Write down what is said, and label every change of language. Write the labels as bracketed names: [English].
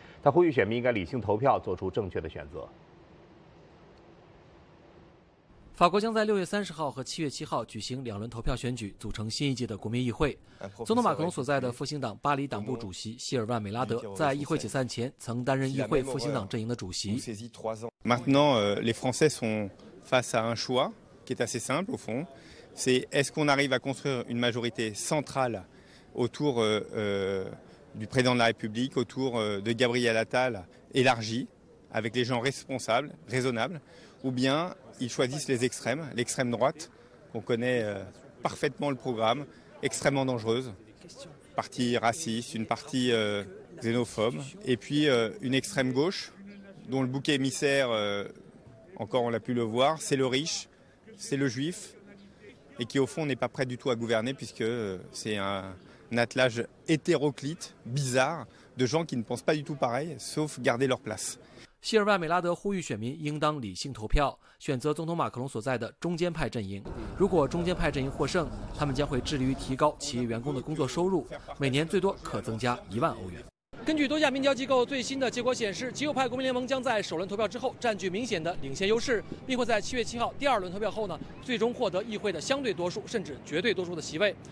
[Chinese] 他呼吁选民应该理性投票，做出正确的选择。法国将在6月30号和7月7号举行两轮投票选举，组成新一届的国民议会。总统马克龙所在的复兴党巴黎党部主席希尔万·梅拉德在议会解散前曾担任议会复兴党阵营的主席。 [French] Maintenant, les Français sont face à un choix qui est assez simple au fond. C'est est-ce qu'on arrive à construire une majorité centrale autour du président de la République, autour de Gabriel Attal, élargie avec les gens responsables, raisonnables, ou bien ils choisissent les extrêmes, l'extrême droite, qu'on connaît parfaitement le programme, extrêmement dangereuse, partie raciste, une partie xénophobe, et puis une extrême gauche, dont le bouc émissaire, encore on l'a pu le voir, c'est le riche, c'est le juif, et qui au fond n'est pas prêt du tout à gouverner, puisque c'est un attelage hétéroclite, bizarre, de gens qui ne pensent pas du tout pareil, sauf garder leur place. [Chinese] 希尔万·梅拉德呼吁选民应当理性投票，选择总统马克龙所在的中间派阵营。如果中间派阵营获胜，他们将会致力于提高企业员工的工作收入，每年最多可增加10000欧元。根据多家民调机构最新的结果显示，极右派国民联盟将在首轮投票之后占据明显的领先优势，并会在7月7号第二轮投票后呢，最终获得议会的相对多数甚至绝对多数的席位。